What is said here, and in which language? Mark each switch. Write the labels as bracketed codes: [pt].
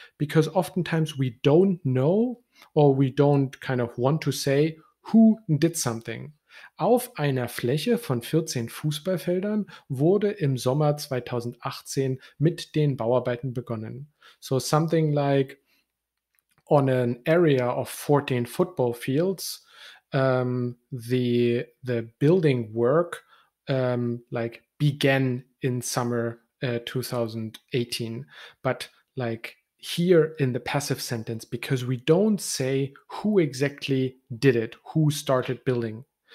[en] Because oftentimes we don't know or we don't kind of want to say who did something. [de] Auf einer Fläche von 14 Fußballfeldern wurde im Sommer 2018 mit den Bauarbeiten begonnen. [en] So something like on an area of 14 football fields, the building work began in summer 2018, but like here in the passive sentence, because we don't say who exactly did it, who started building.